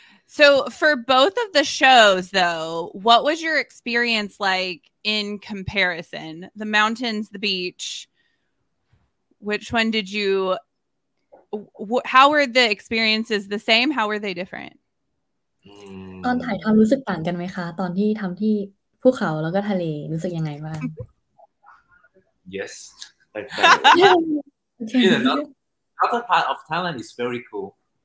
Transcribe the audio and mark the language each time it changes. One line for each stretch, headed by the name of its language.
English: So for both of the shows, though, what was your experience like in comparison? The mountains, the beach. Which one did you... how were the experiences the same? How were they different?
Thai: ตอนถ่ายทำรู้สึกต่างกันไหมคะตอนที่ทำที่ภูเขาแล้วก็ทะเลรู้สึกยังไงบ้าง
English: Yes. Like, yeah, the other part of Thailand is very cool.